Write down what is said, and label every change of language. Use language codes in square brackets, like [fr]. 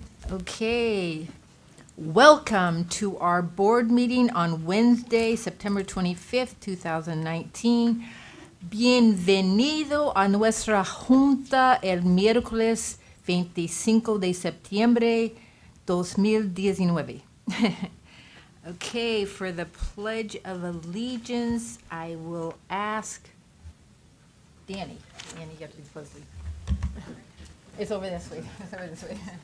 [en] Okay, welcome to our board meeting on Wednesday, September 25th, 2019. [es] Bienvenido a nuestra junta el miércoles 25 de septiembre 2019. [en] Okay, for the Pledge of Allegiance, I will ask Danny. Danny, you have to be closely. It's over this way. It's over this way.